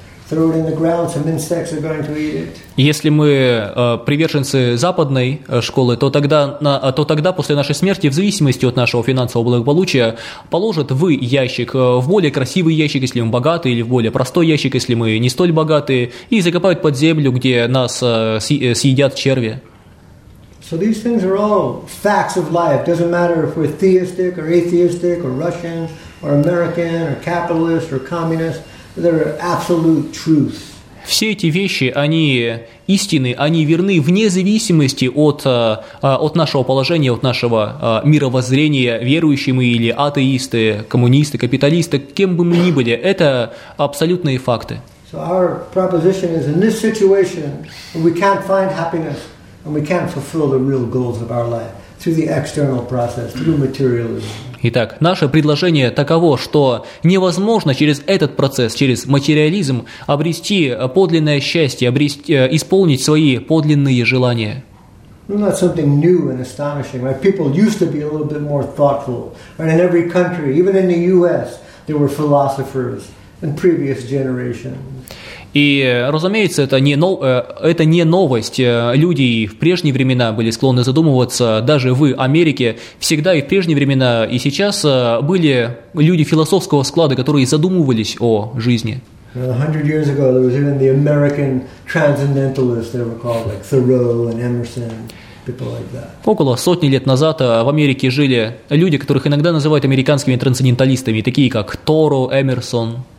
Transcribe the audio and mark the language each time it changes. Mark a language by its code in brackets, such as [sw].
[en] Throw it in the ground, some insects are going to eat it. [ru] Если мы приверженцы западной школы, то тогда после нашей смерти, в зависимости от нашего финансового благополучия, положат в ящик, в более красивый ящик, если мы богаты, или в более простой ящик, если мы не столь богаты, и закопают под землю, где нас съедят черви. [en] So these things are all facts of life. Doesn't matter if we're theistic or atheistic or Russian or American or capitalist or communist. They're absolute truth. [ru] Все эти вещи, они истины, они верны вне зависимости от нашего положения, от нашего мировоззрения, верующие мы или атеисты, коммунисты, капиталисты, кем бы мы ни были, это абсолютные факты. [en] So our proposition is, in this situation, we can't find happiness and we can't fulfill the real goals of our life through the external process, through materialism. [ru] Итак, наше предложение таково, что невозможно через этот процесс, через материализм, обрести подлинное счастье, исполнить свои подлинные желания. [en] Well, that's something new and astonishing. Right? People used to be a little bit more thoughtful. Right? In every country, even in the US, there were philosophers in previous generations. [ru] И, разумеется, это не новость. Люди и в прежние времена были склонны задумываться, даже в Америке всегда и в прежние времена, и сейчас были люди философского склада, которые задумывались о жизни. [en] 100 years ago, there was even the American transcendentalists, they were called like Thoreau and Emerson. [ru] Около сотни лет назад в Америке жили люди, которых иногда называют американскими трансценденталистами, такие как Торо, Эмерсон.